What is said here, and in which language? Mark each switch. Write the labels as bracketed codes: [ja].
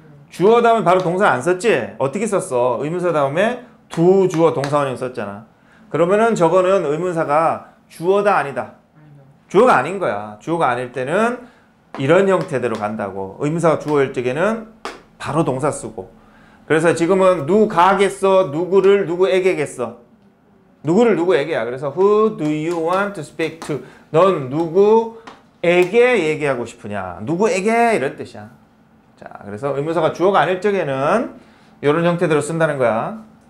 [ko] 주어 다음에 바로 동사를 안 썼지? 어떻게 썼어? 의문사 다음에 두 주어 동사원형 썼잖아. 그러면은 저거는 의문사가 주어다 아니다? 주어가 아닌 거야. 주어가 아닐 때는 이런 형태대로 간다고. 의문사가 주어일 적에는 바로 동사 쓰고. 그래서 지금은 누가겠어? 누구를 누구에게겠어? 누구를 누구에게야. 그래서 [en] who do you want to speak to? [ko] 넌 누구에게 얘기하고 싶으냐? 누구에게 이런 뜻이야. 자, 그래서 의문사가 주어가 아닐 적에는 이런 형태대로 쓴다는 거야.